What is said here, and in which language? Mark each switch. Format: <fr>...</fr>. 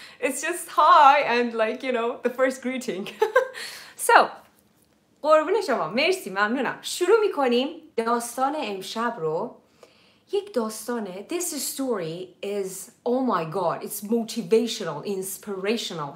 <en>It's just hi and like, you know, the first greeting.</en> <fa>So, قربون شما. مرسی. ممنونم. شروع میکنیم داستان امشب رو. یک داستانه.</fa> <en>This story is, oh my god, it's motivational, inspirational.</en>